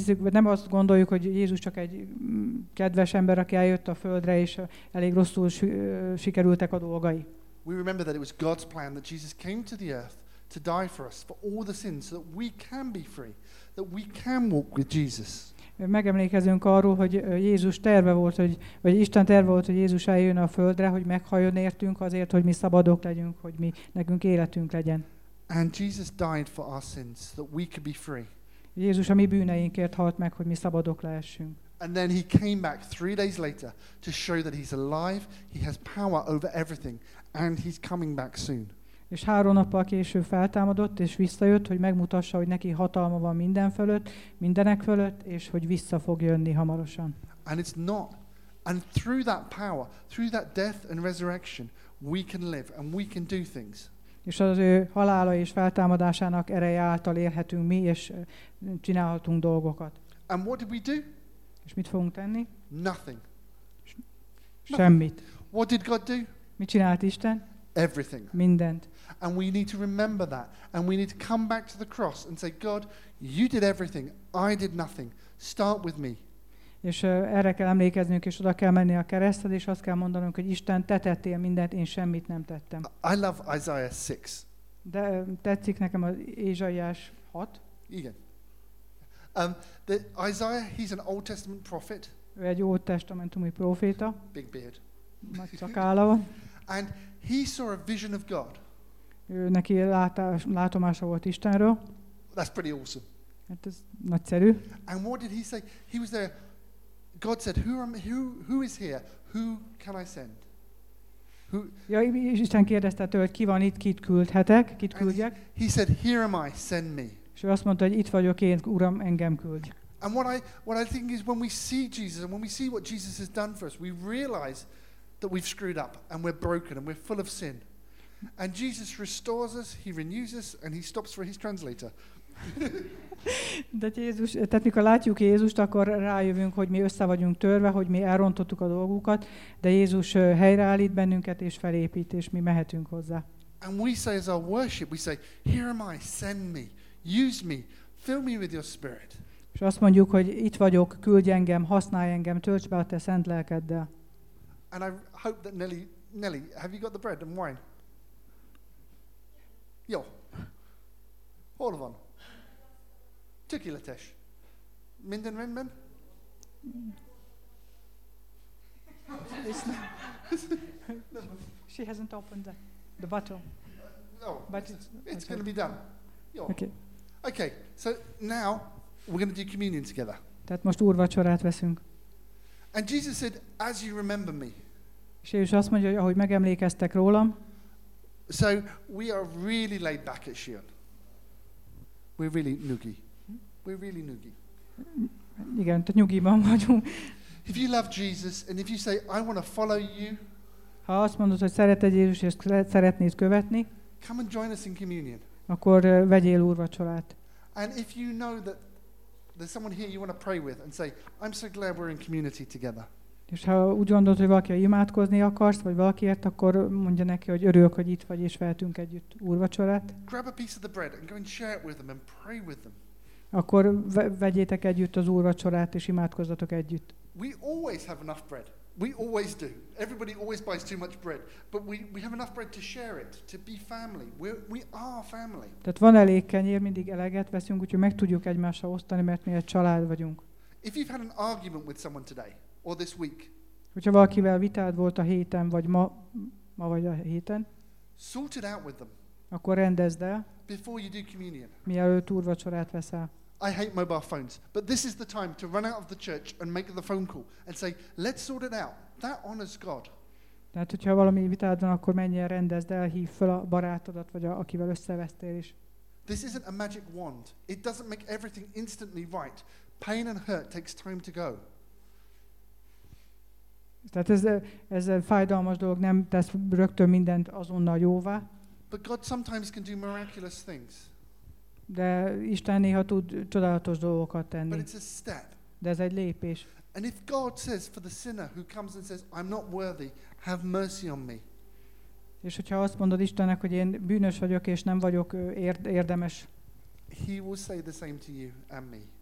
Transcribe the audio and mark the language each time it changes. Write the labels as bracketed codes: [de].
[hu] Nem azt gondoljuk, hogy Jézus csak egy kedves ember, aki eljött a földre és elég rosszul sikerültek a dolgai. [en] We remember that it was God's plan that Jesus came to the earth to die for us for all the sins so that we can be free, that we can walk with Jesus. [hu] Megemlékezünk arról, hogy Jézus terve volt, vagy Isten terve volt, hogy Jézus eljön a földre, hogy meghaljon értünk azért, hogy mi szabadok legyünk, hogy mi nekünk életünk legyen. [en] And Jesus died for our sins so that we could be free. [hu] Jézus a mi bűneinkért halt meg, hogy mi szabadok lehessünk. [en] And then he came back 3 days later to show that he's alive, he has power over everything, and he's coming back soon. [hu] És 3 nappal később feltámadott, és visszajött, hogy megmutassa, hogy neki hatalma van minden fölött, mindenek fölött, és hogy vissza fog jönni hamarosan. [en] And it's not. And through that power, through that death and resurrection, we can live and we can do things. [hu] És az ő halála és feltámadásának ereje által élhetünk mi, és csinálhatunk dolgokat. [en] And what did we do? [hu] És mit fogunk tenni? [en] Nothing. [hu] Semmit. [en] What did God do? [hu] Mit csinált Isten? [en] Everything. [hu] Mindent. [en] And we need to remember that. And we need to come back to the cross and say, God, you did everything. I did nothing. Start with me. [hu] És erre kell emlékeznünk, és oda kell menni a kereszted, és azt kell mondanunk, hogy Isten, te tettél mindent, én semmit nem tettem. [en] I love Isaiah 6. [hu] De tetszik nekem az Ézsaiás 6. [en] Igen. That Isaiah, he's an Old Testament prophet. [hu] Ő egy Új Testamentumi proféta. [en] Big beard. [hu] Nagy szakálla van. [en] And he saw a vision of God. [hu] Ő neki látomása volt Istenről. [en] That's pretty awesome. [hu] Hát ez nagyszerű. [en] And what did he say? He was there. God said, who is here? Who can I send? [hu] Ja, Isten kérdezte tőle, ki van itt, kit küldhetek, kit küldjek. [en] He said, here am I, send me. [hu] És ő azt mondta, hogy itt vagyok én, Uram, engem küldj. [en] And what I think is when we see Jesus and when we see what Jesus has done for us, we realize that we've screwed up and we're broken and we're full of sin. And Jesus restores us, he renews us, and he stops for his translator. [hu] De Jézus, tehát mikor látjuk Jézust, akkor rájövünk, hogy mi össze vagyunk törve, hogy mi elrontottuk a dolgukat, de Jézus helyreállít bennünket és felépít, és mi mehetünk hozzá. [en] And we say as our worship, we say, here am I, send me, use me, fill me with your spirit. [hu] És azt mondjuk, hogy itt vagyok, küldj engem, használj engem, tölts be a te szent lelkeddel. [en] And I hope that Nelly, have you got the bread and wine? [hu] Jó. Hol van? Tökéletes. Minden rendben? [en] She hasn't opened the bottle. No, but it's going to be done. Jó. Okay, so now we're going to do communion together. [hu] Tehát most úrvacsorát veszünk. [en] And Jesus said, as you remember me. [hu] És Jézus azt mondja, hogy ahogy megemlékeztek rólam. [en] So we are really laid back at Sion. We're really noogie. We're really noogie. [hu] Igen, tehát nyugiban vagyunk. [en] If you love Jesus and if you say, I want to follow you. [hu] Ha azt mondod, hogy szereted Jézus és szeretnéd követni. [en] Come and join us in communion. [hu] Akkor vegyél úrvacsorát. [en] And if you know that there's someone here you want to pray with and say, I'm so glad we're in community together. [hu] És ha úgy gondolod, hogy valaki imádkozni akarsz, vagy valakiért, akkor mondja neki, hogy örülök, hogy itt vagy, és vehetünk együtt úrvacsorát. [en] Grab a piece of the bread and go and share it with them and pray with them. [hu] Akkor vegyétek együtt az úrvacsorát, és imádkozzatok együtt. [en] We always have enough bread. We always do. Everybody always buys too much bread. But we have enough bread to share it, to be family. We are family. [hu] Tehát van elég kenyér, mindig eleget veszünk, úgyhogy meg tudjuk egymással osztani, mert mi egy család vagyunk. [en] If you've had an argument with someone today, or this week. [hu] Hogyha valakivel vitád volt a héten, vagy ma vagy a héten. [en] Sort it out with them. [hu] Akkor rendezd el. [en] Before you do communion. [hu] Mielőtt úrvacsorát veszel. [en] I hate mobile phones, but this is the time to run out of the church and make the phone call and say, let's sort it out. That honors God. [hu] Tehát, hogyha valami vitád van, akkor menj el, rendezd el, hívd fel a barátodat, vagy akivel összevesztél is. [en] This isn't a magic wand. It doesn't make everything instantly right. Pain and hurt takes time to go. [hu] Tehát ez a fájdalmas dolog, nem tesz rögtön mindent azonnal jóvá. [en] But God sometimes can do miraculous things. [hu] De Isten néha tud csodálatos dolgokat tenni. [en] But it's a step. [hu] De ez egy lépés. [en] And if God says for the sinner who comes and says, I'm not worthy, have mercy on me. [hu] És hogyha azt mondod Istennek, hogy én bűnös vagyok és nem vagyok érdemes. [en] He will say the same to you and me.